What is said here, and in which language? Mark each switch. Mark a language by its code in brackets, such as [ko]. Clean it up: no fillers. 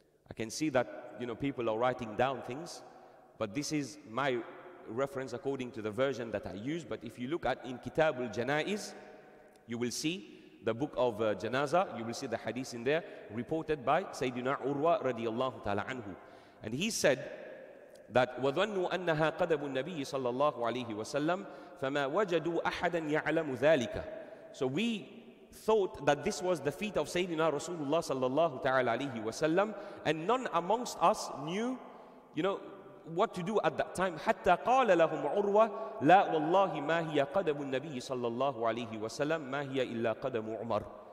[en] I can see that, you know, people are writing down things, but this is my reference according to the version that I use. But if you look at in Kitab al-Janaiz, you will see the book of Janaza, you will see the hadith in there, reported by Sayyidina Urwa radiallahu ta'ala anhu. And he said that [ar] وَظَنُّوا أَنَّهَا قَدَبُ النَّبِيِّ صَلَّى اللَّهُ عَلَيْهِ وَسَلَّمْ فَمَا وَجَدُوا أَحَدًا يَعْلَمُ ذَلِكَ. [en] So we thought that this was the feet of Sayyidina Rasulullah sallallahu ta'ala alayhi wa sallam, and none amongst us knew, you know, what to do at that time. [ar] حَتَّى قَالَ لَهُمْ عُرْوَةَ لَا وَاللَّهِ مَا هِيَ قَدَبُ النَّبِيِّ صَلَّى اللَّهُ عَلَيْهِ وَسَلَّمْ مَا هِيَ إِلَّا قَدَمُ عُمَرَ.